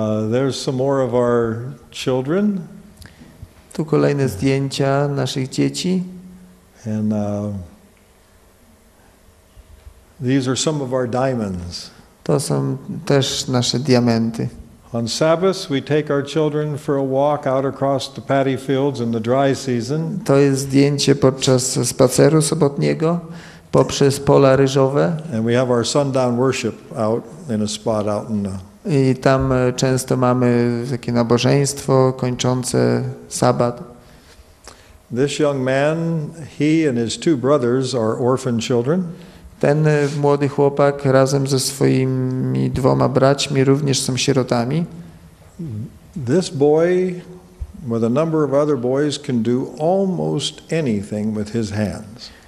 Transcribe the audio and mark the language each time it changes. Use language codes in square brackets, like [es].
[en] There's some more of our children. [pl] Tu kolejne zdjęcia naszych dzieci. [en] And these are some of our diamonds. [pl] To są też nasze diamenty. [en] On Sabbath we take our children for a walk out across the paddy fields in the dry season. [pl] To jest zdjęcie podczas spaceru sobotniego poprzez pola ryżowe. [en] And we have our sundown worship out in a spot out in the. [pl] I tam często mamy takie nabożeństwo kończące sabat. [en] This young man, he and his two brothers are orphan children. [pl] Ten młody chłopak razem ze swoimi dwoma braćmi również są sierotami. [en] This boy with a number of other boys can do almost anything with his hands.